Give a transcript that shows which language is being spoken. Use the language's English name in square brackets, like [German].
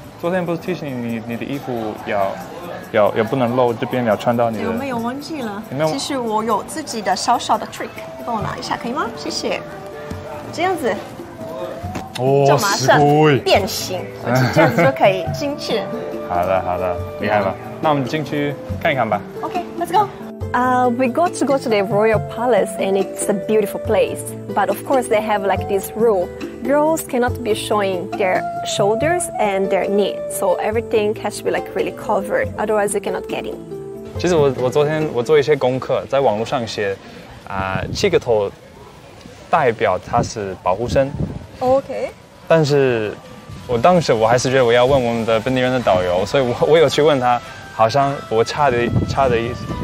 [Chinese] 昨天不是提醒你，你的衣服要不能露，这边要穿到你的。有没有忘记了？其实我有自己的小小的 trick， 你帮我拿一下可以吗？谢谢。这样子，哦，就马上变形，这样子就可以进去。好的，厉害吧？那我们进去看一看吧。 [English] OK，Let's go。 We got to go to the Royal Palace, and it's a beautiful place. But of course, they have like this rule: girls cannot be showing their shoulders and their knee. So everything has to be like really covered. Otherwise, you cannot get in. [Chinese] 其实我昨天我做一些功课，在网络上写，七个头代表它是保护神。 [English] OK. [Chinese] 但是我当时我还是觉得我要问我们的本地人的导游，所以我有去问他，好像我差的意思。